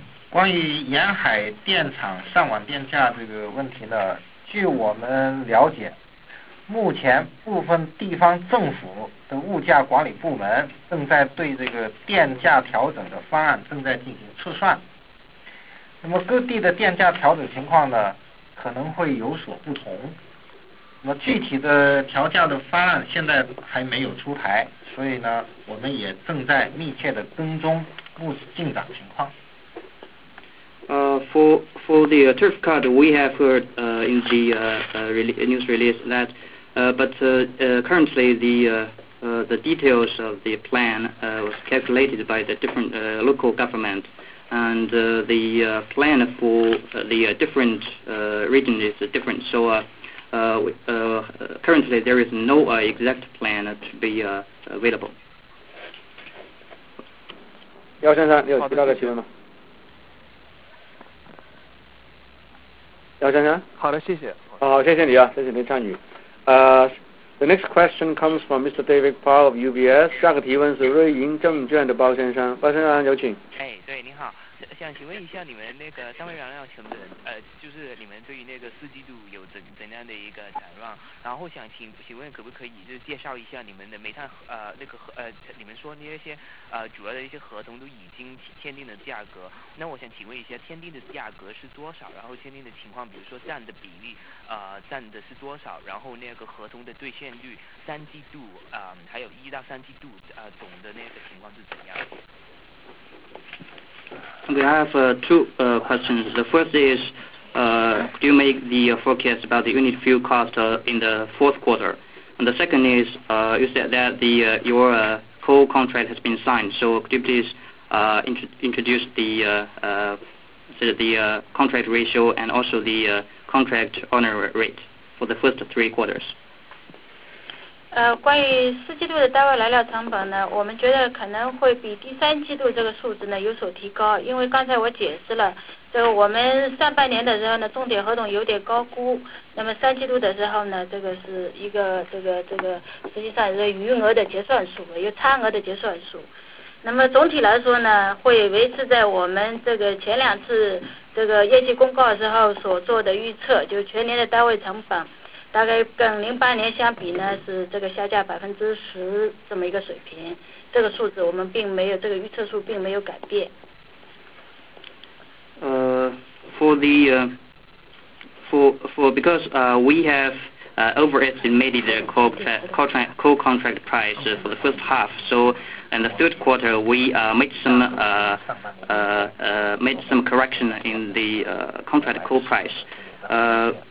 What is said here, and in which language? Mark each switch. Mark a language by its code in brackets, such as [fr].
[zh] 关于沿海电厂上网电价这个问题呢，据我们了解，目前部分地方政府的物价管理部门正在对这个电价调整的方案正在进行测算，那么各地的电价调整情况呢可能会有所不同，那么具体的调价的方案现在还没有出台，所以呢我们也正在密切的跟踪目进展情况。 [en] For the tariff cut, we have heard in the news release that currently the details of the plan was calculated by the different local government, and the plan for the different region is different. So currently there is no exact plan to be available. [zh] 姚先生，你有其他的提问吗？姚先生，好的，谢谢。好，谢谢你啊，谢谢您参与。 [en] The next question comes from Mr. David Paul of UBS. [zh] 下个提问是瑞银证券的包先生，包先生有请。哎，对，您好，想请问一下你们那个单位燃料成本，就是你们对于那个四季度有怎样的一个展望？然后想请问可不可以就介绍一下你们的煤炭你们说那些主要的一些合同都已经签订的价格，那我想请问一下签订的价格是多少？然后签订的情况，比如说占的比例，占的是多少？然后那个合同的兑现率，三季度还有一到三季度总的那个情况是怎样？ [en] Okay, I have two questions. The first is, could you make the forecast about the unit fuel cost in the fourth quarter? And the second is, you said that your coal contract has been signed. So could you please introduce the contract ratio and also the contract honor rate for the first three quarters? [zh] 关于四季度的单位燃料成本呢，我们觉得可能会比第三季度这个数字呢有所提高，因为刚才我解释了，这个我们上半年的时候呢，重点合同有点高估，那么三季度的时候呢，这个是一个这个实际上是余额的结算数，有差额的结算数，那么总体来说呢，会维持在我们这个前两次这个业绩公告的时候所做的预测，就是全年的单位成本。大概跟2008年相比呢，是这个下降10%这么一个水平。这个数字我们并没有，这个预测数并没有改变。 [en] Because we have overestimated the coal contract price for the first half. So in the third quarter, we made some correction in the contract coal price.